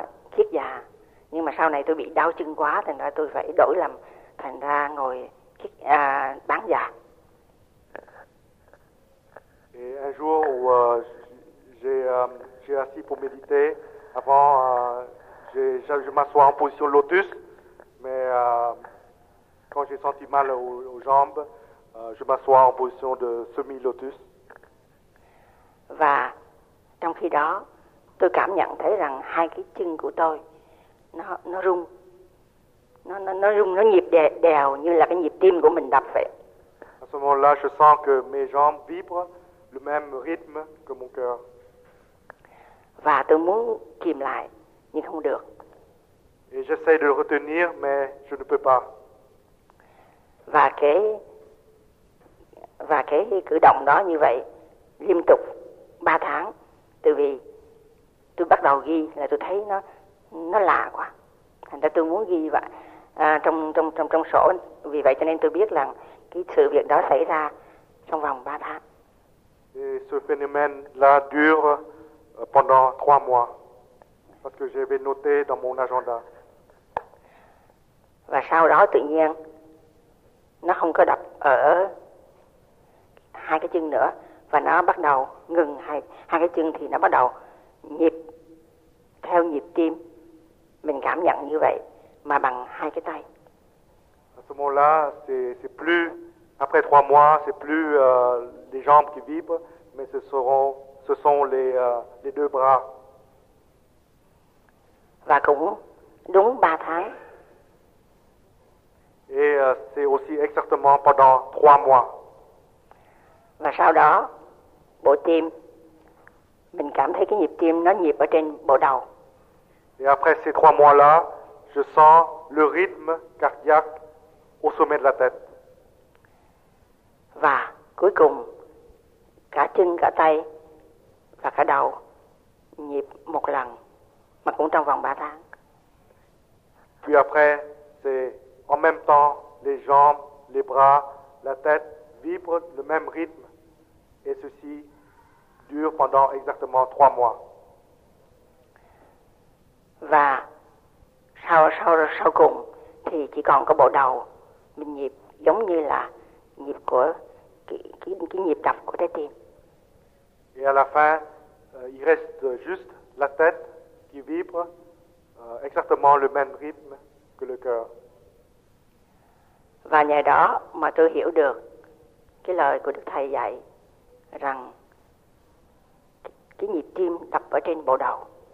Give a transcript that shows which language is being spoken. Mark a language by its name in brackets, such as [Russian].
[Vietnamese] Kiết già, nhưng mà sau này tôi bị đau chân quá, thành ra tôi phải đổi làm thành ra ngồi kiết bán già. [French] Et un jour où j'ai assis pour méditer, avant je m'assois en position lotus, mais quand j'ai senti mal aux jambes, je m'assois en position de semi lotus. [Vietnamese] Và trong khi đó Tôi cảm nhận thấy rằng hai cái chân của tôi nó rung. Nó rung, nó nhịp đều như là cái nhịp tim của mình đập vậy. [French] À ce moment-là, je sens que mes jambes vibrent le même rythme que mon cœur. [Vietnamese] Và tôi muốn kìm lại nhưng không được. [French] Et j'essaie de le retenir mais je ne peux pas. [Vietnamese] Và cái cử động đó như vậy liên tục 3 tháng, từ vì tôi bắt đầu ghi là tôi thấy nó lạ quá. Thành ra tôi muốn ghi vậy trong sổ. Vì vậy cho nên tôi biết là cái sự việc đó xảy ra trong vòng 3 tháng. [French] Et ce phénomène là dure pendant 3 mois parce que j'avais noté dans mon agenda. [Vietnamese] Và sau đó tự nhiên nó không có đập ở hai cái chân nữa và nó bắt đầu ngừng hai cái chân thì nó bắt đầu nhịp theo nhịp tim. Mình cảm nhận như vậy mà bằng hai cái tay. [French] À ce moment-là, c'est plus après 3 mois, c'est plus les jambes qui vibrent, mais ce sont les deux bras. [Vietnamese] Và cũng đúng 3 tháng. [French] Et c'est aussi exactement pendant 3 mois. [Vietnamese] Và sau đó, bộ tim, mình cảm thấy cái nhịp tim nó nhịp ở trên bộ đầu. [French] Et après ces 3 mois-là, je sens le rythme cardiaque au sommet de la tête. [Vietnamese] Và cuối cùng, cả chân, cả tay và cả đầu nhịp một lần, mà cũng trong vòng 3 tháng. [French] Puis après, c'est en même temps, les jambes, les bras, la tête vibrent le même rythme. Et ceci dure pendant exactement 3 mois. [Vietnamese] Và sau cùng thì chỉ còn có bộ đầu mình nhịp giống như là nhịp của cái nhịp đập của trái tim. [French] Et à la fin, il reste juste la tête qui vibre exactement le même rythme que le cœur. [Vietnamese] Và nhờ đó mà tôi hiểu được cái lời của Đức Thầy dạy rằng cái nhịp tim đập ở trên bộ đầu.